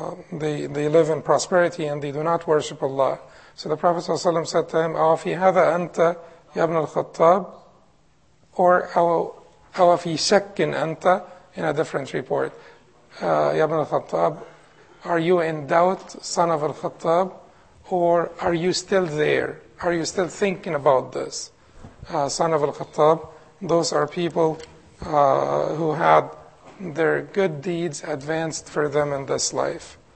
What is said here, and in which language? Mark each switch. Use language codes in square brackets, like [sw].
[en] They live in prosperity and they do not worship Allah. So the Prophet ﷺ said to him, [ar] أَوَ فِي هَذَا أَنْتَ يَا ابْنَ الْخَطَّابِ, [en] or [ar] أَوَ فِي شَكٍ أَنْتَ, [en] in a different report. [ar] يَا ابْنَ الْخَطَّابِ, [en] are you in doubt, son of al-Khattab, or are you still there? Are you still thinking about this? Son of al-Khattab, those are people who had their good deeds advanced for them in this life.